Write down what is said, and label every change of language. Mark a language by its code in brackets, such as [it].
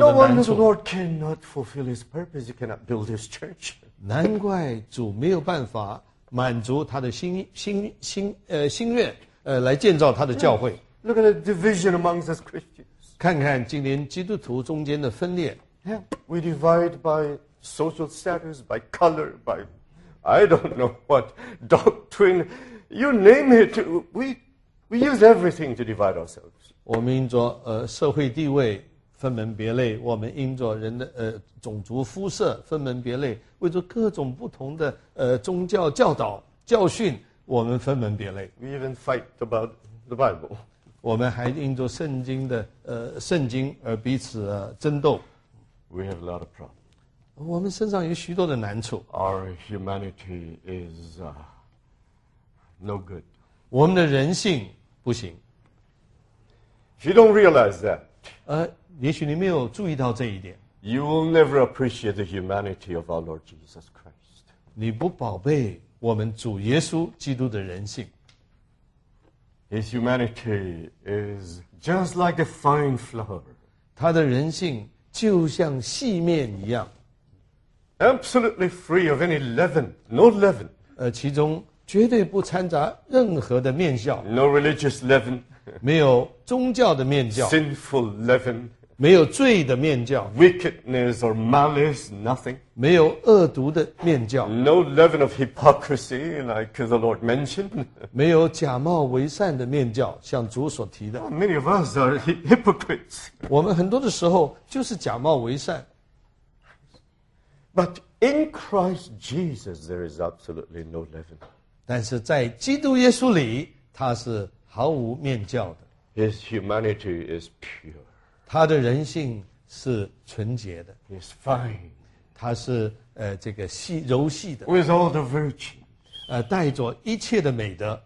[zh] 的难处。 [en] No wonder the Lord cannot fulfill His purpose; He cannot build His church. [zh] 难怪主没有办法满足他的心愿，来建造他的教会。 [en] Yes. Look at the division amongst us Christians. [zh] 看看今天基督徒中间的分裂。 [en] Yeah. We divide by social status, by color, by I don't know what doctrine. You name it, we use everything to divide ourselves. [zh] 我们因着社会地位分门别类，我们因着人的种族肤色分门别类，为着各种不同的宗教教导教训，我们分门别类。 [en] We even fight about the Bible. [zh] 我们还因着圣经的圣经而彼此争斗。 [en] We have a lot of problems. [zh] 我们身上有许多的难处。 [en] Our humanity is no good. [zh] 我们的人性不行。 [en] If you don't realize that, [zh] 也许你没有注意到这一点。 [en] you will never appreciate the humanity of our Lord Jesus Christ. [zh] 你不宝贝我们主耶稣基督的人性。 [en] His humanity is just like a fine flower. [zh] 他的人性就像细面一样。 [en] Absolutely free of any leaven, no leaven. [zh] 其中绝对不掺杂任何的面酵。 [en] No religious leaven. [zh] 没有宗教的面酵。 [en] Sinful leaven. [zh] 没有罪的面酵。 [en] Wickedness or malice, nothing. [zh] 没有恶毒的面酵。 [en] No leaven of hypocrisy, like the Lord mentioned. [zh] 没有假冒为善的面酵，像主所提的。 [en] Many of us are hypocrites. [zh] 我们很多的时候就是假冒为善。 [en] But in Christ Jesus, there is absolutely no leaven. [zh] 但是在基督耶稣里，他是毫无面酵的。 [en] His humanity is pure. [zh] 他的人性是纯洁的。 [en] He's fine. [zh] 他是这个细柔细的。 [en] With all the virtues. [zh] 带着一切的美德。